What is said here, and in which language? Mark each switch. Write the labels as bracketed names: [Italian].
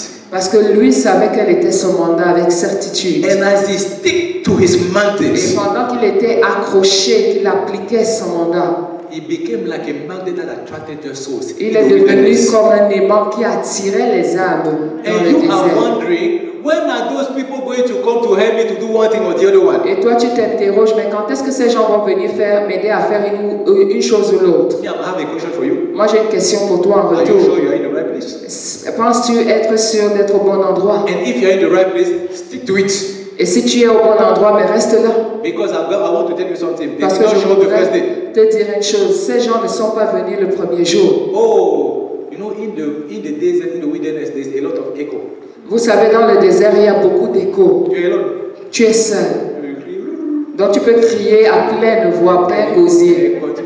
[French] Parce que lui savait quel était son mandat avec certitude. [English] And as he stick to his mandate, [French] et pendant qu'il était accroché, qu'il appliquait son mandat, [English] he became like a mandate that attracted their souls. [French] Il est devenu comme un aimant qui attirait les âmes dans le désert. [English] And you are wondering, when are those people going to come to help me to do one thing or the other one? [French] Et toi, tu t'interroges, mais quand est-ce que ces gens vont venir faire, m'aider à faire une chose ou l'autre? [English] Yeah, I have a question for you. [French] Moi, j'ai une question pour toi en retour. [English] Are you sure you are in the right place? [French] Penses-tu être sûr d'être au bon endroit? [English] And if you are in the right place, stick to it. [French] Et si tu es au bon endroit, mais reste là. [English] Because I want to tell you something. [French] Parce que je voudrais te dire une chose. Ces gens ne sont pas venus le premier jour. [English] Oh, you know, in the desert, in the wilderness, there's a lot of echo. [French] Vous savez, dans le désert, il y a beaucoup d'écho. Tu es seul. Donc, tu peux crier à pleine voix, plein gosier.